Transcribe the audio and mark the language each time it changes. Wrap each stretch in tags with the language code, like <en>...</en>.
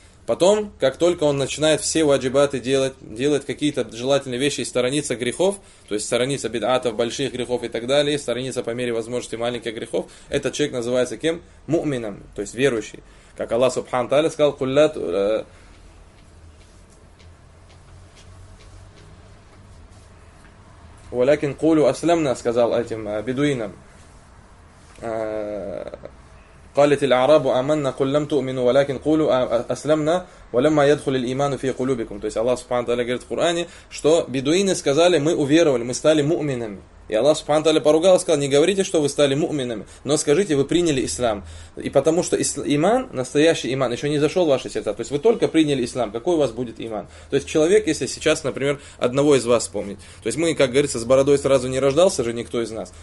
<ru>Потом, как только он начинает все ваджибаты делать, делать какие-то желательные вещи и сторониться грехов, то есть сторониться бид'атов, больших грехов и так далее, сторониться по мере возможности маленьких грехов, этот человек называется кем? Му'мином, то есть верующий. Как Аллах Субхану Тааля сказал, «Куллят...»</ru> <ar>«Валякин кулю аслямна»</ar> <ru>сказал этим бедуинам.</ru> <ar>قالت الاعراب امننا قل لم تؤمنوا ولكن قولوا اسلمنا ولما يدخل الايمان في قلوبكم.</ar> <ru>То есть Аллах Субхану Тааля говорит в Коране, что бедуины сказали: мы уверовали, мы стали муминами. И Аллах Субхану Тааля поругал и сказал: не говорите, что вы стали муминами, но скажите, вы приняли ислам. И потому что иман, настоящий иман, еще не зашел в ваши сердца. То есть вы только приняли ислам, какой у вас будет иман? То есть человек, если сейчас, например, одного из вас вспомнить, то есть мы, как говорится, с бородой сразу не рождался же никто из нас.</ru>